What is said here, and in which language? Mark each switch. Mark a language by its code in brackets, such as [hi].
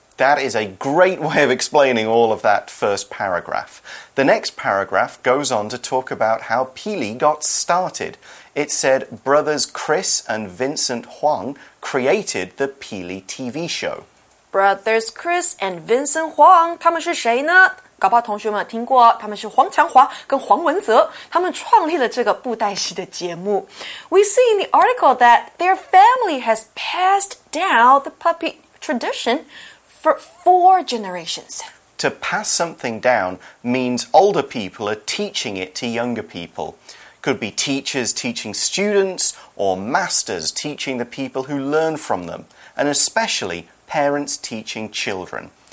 [en] That is a great way of explaining all of that first paragraph. The next paragraph goes on to talk about how Pili got started. It said brothers Chris and Vincent Huang created the Pili TV show. Brothers Chris and Vincent Huang, [zh] 他们是谁呢？搞不好同学们听过，他们是黄强华跟黄文泽，他们创立了这个布袋戏的节目。 [en] We see in the article that their family has passed down the puppy tradition for four generations. To pass something down means older people are teaching it to younger people. Could be teachers teaching students or masters teaching the people who learn from them, and especially...Parents teaching children.